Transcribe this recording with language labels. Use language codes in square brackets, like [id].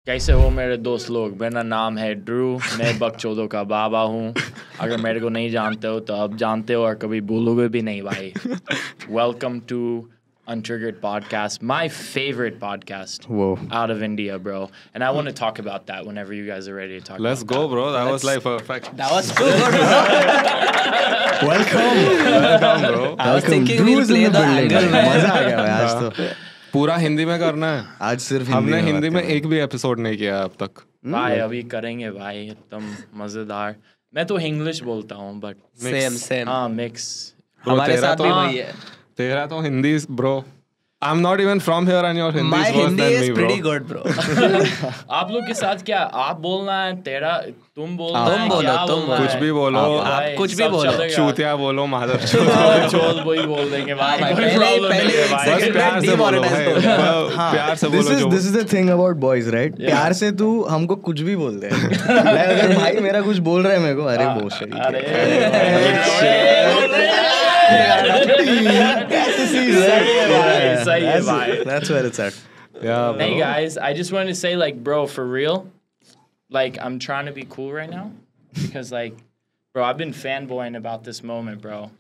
[hi] कैसे हो मेरे दोस्त लोग, मेरा नाम है ड्रू, मैं बकचोदों का बाबा हूँ। अगर मेरे को नहीं जानते हो तो अब जानते हो और कभी भूलोगे भी नहीं भाई। [en] Welcome to Untriggered Podcast, my favorite podcast. Whoa. Out of India, bro. And I want to talk about that whenever you guys are ready to talk. Let's go, bro. That was like perfect. That was cool. Welcome. Welcome, bro. I was thinking we'll play the angle. [hi] Maza aa gaya aaj to. पूरा हिंदी में करना है आज, सिर्फ हिंदी हमने हिंदी में एक भी एपिसोड नहीं किया अब तक भाई। अभी करेंगे भाई, एकदम मजेदार। मैं तो इंग्लिश बोलता हूँ बट सेम सेम। हाँ मिक्स हमारे साथ भी वही है। तेरा तो Hindi bro, [en] I'm not even from here and your Hindi is worse than me, bro. My Hindi is pretty good, bro. [hi] आप लोग के साथ क्या, आप बोलना है, तेरा तुम बोलना है, तुम बोलो, तुम कुछ भी बोलो, आप कुछ भी बोलो, चूतिया बोलो, माधव चोल वही बोल देंगे भाई। पहले प्यार से बोलो, [en] this is the thing about boys right, [hi] प्यार से तू हमको कुछ भी बोल दे। अगर भाई मेरा कुछ बोल रहा है मेरे को, अरे बहुत सही, [en] अरे Hey guys, I just wanted to say, like, bro, for real, like, I'm trying to be cool right now because, like, bro, I've been fanboying about this moment, bro.